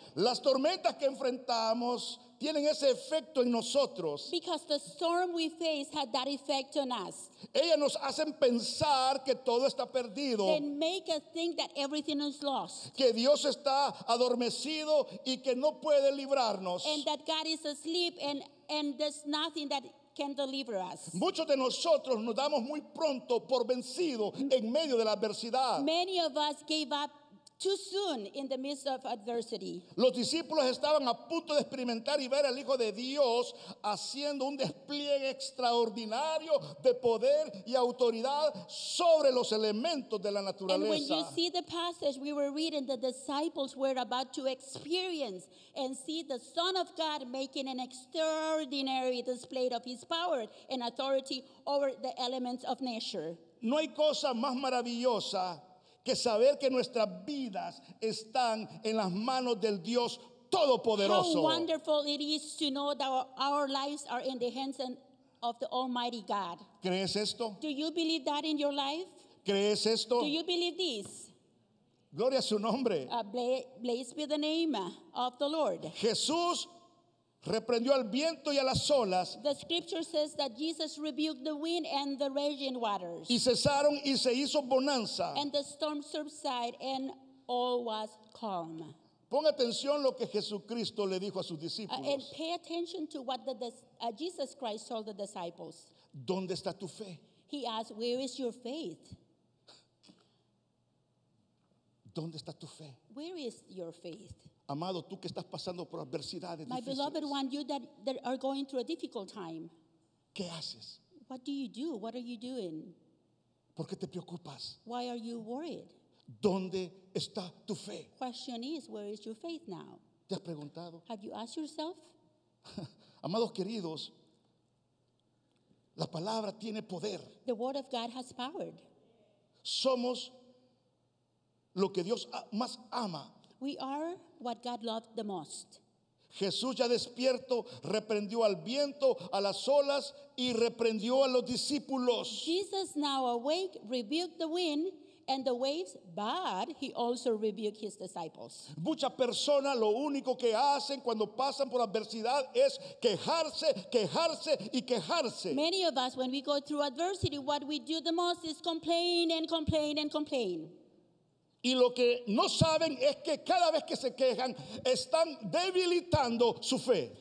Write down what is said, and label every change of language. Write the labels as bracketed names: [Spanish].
[Spanish] Las tormentas que enfrentamos tienen ese efecto en nosotros. [English] Because the storm we face had that effect on us. [Spanish] Ellas nos hacen pensar que todo está perdido. [English] They make us think that everything is lost. [Spanish] Que Dios está adormecido y que no puede librarnos. [English] And that God is asleep and there's nothing that can deliver us. [Spanish] Muchos de nosotros nos damos muy pronto por vencido en medio de la adversidad. [English] Many of us gave up too soon in the midst of adversity. [Spanish] Los discípulos estaban a punto de experimentar y ver al Hijo de Dios haciendo un despliegue extraordinario de poder y autoridad sobre los elementos de la naturaleza. [English] And when you see the passage we were reading, the disciples were about to experience and see the Son of God making an extraordinary display of his power and authority over the elements of nature. [Spanish] No hay cosa más maravillosa que saber que nuestras vidas están en las manos del Dios Todopoderoso. [English] How wonderful it is to know that our lives are in the hands of the Almighty God. [Spanish] ¿Crees esto? [English] Do you believe that in your life? [Spanish] ¿Crees esto? [English] Do you believe this? [Spanish] Gloria a su nombre. [English] Blessed be the name of the Lord. [Spanish] Jesús Reprendió al viento y a las olas. [English] The scripture says that Jesus rebuked the wind and the raging waters. [Spanish] Y cesaron y se hizo bonanza. [English] And the storm subsided and all was calm. [Spanish] Ponga atención lo que Jesucristo le dijo a sus discípulos. [English] And pay attention to what Jesus Christ told the disciples. [Spanish] ¿Dónde está tu fe? [English] He asked, where is your faith? [Spanish] ¿Dónde está tu fe? [English] Where is your faith? [Spanish] Amado, tú que estás pasando por adversidades difíciles. [English] My beloved one, you that are going through a difficult time. [Spanish] ¿Qué haces? [English] What do you do? What are you doing? [Spanish] ¿Por qué te preocupas? [English] Why are you worried? [Spanish] ¿Dónde está tu fe? [English] Question is, where is your faith now? [Spanish] ¿Te has preguntado? [English] Have you asked yourself? [Spanish] Amados queridos, la palabra tiene poder. [English] The word of God has power. [Spanish] Somos lo que Dios más ama. [English] We are what God loved the most. [Spanish] Jesús ya despierto reprendió al viento, a las olas y reprendió a los discípulos. [English] Jesus now awake rebuked the wind and the waves, but he also rebuked his disciples. [Spanish] Muchas personas lo único que hacen cuando pasan por adversidad es quejarse, quejarse y quejarse. [English] Many of us, when we go through adversity, what we do the most is complain and complain and complain. [Spanish] Y lo que no saben es que cada vez que se quejan están debilitando su fe.